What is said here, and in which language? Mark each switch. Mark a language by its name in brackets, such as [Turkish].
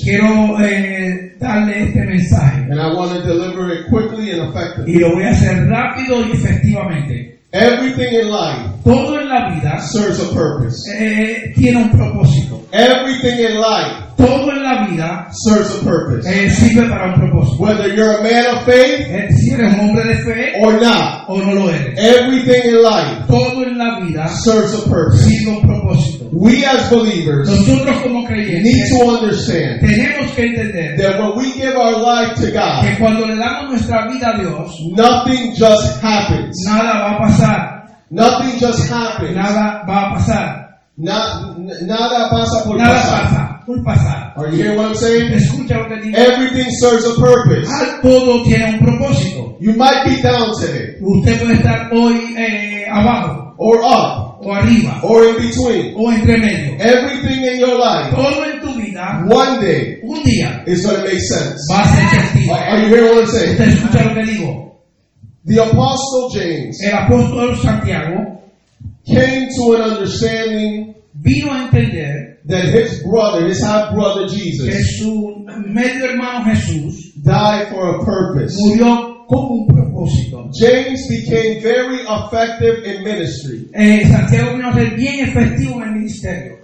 [Spanish] Quiero darle este mensaje. [English] And I want to deliver it quickly and effectively. [Spanish] Y lo voy a hacer rápido y efectivamente. [English] Everything in life. [Spanish] Todo en la vida. [English] Serves a purpose. [Spanish] Tiene un propósito. [English] Everything in life. [Spanish] Todo en la vida [English] serves a purpose. [Spanish] Sirve para un propósito. [English] Whether you're a man of faith [Spanish] si eres un hombre de fe, [English] or not, [Spanish] o no lo eres. [English] Everything in life, [Spanish] todo en la vida, [English] serves a purpose. [Spanish] Sirve un propósito. [English] We as believers, [Spanish] nosotros como creyentes, [English] need to understand, [Spanish] tenemos que entender, [English] that when we give our life to God, [Spanish] que cuando le damos nuestra vida a Dios, [English] nothing just happens. [Spanish] Nada va a pasar. [English] Nothing just happens. [Spanish] Nada va a pasar. Nada pasa por nada pasar. Pasa. [English] Are you hearing what I'm saying? [Spanish] Escucha lo que digo. [English] Everything serves a purpose. [Spanish] Todo tiene un propósito. [English] You might be down today. [Spanish] Usted puede estar hoy, abajo. [English] Or up. [Spanish] O arriba. [English] Or in between. [Spanish] O entre medio. [English] Everything in your life. [Spanish] Todo en tu vida. [English] One day. [Spanish] Un día. [English] Is going to make sense. [Spanish] Va a ser sentido. [English] Are you hearing what I'm saying? [Spanish] Usted escucha lo que digo. [English] The Apostle James. [Spanish] El apóstol Santiago. [English] Came to an understanding. [Spanish] Vino a entender. [English] That his brother, his half-brother Jesus, [Spanish] que su medio hermano Jesús, [English] died for a purpose. [Spanish] Murió con un propósito. [English] James became very effective in ministry. [Spanish] Santiago vino a ser bien efectivo en el ministerio.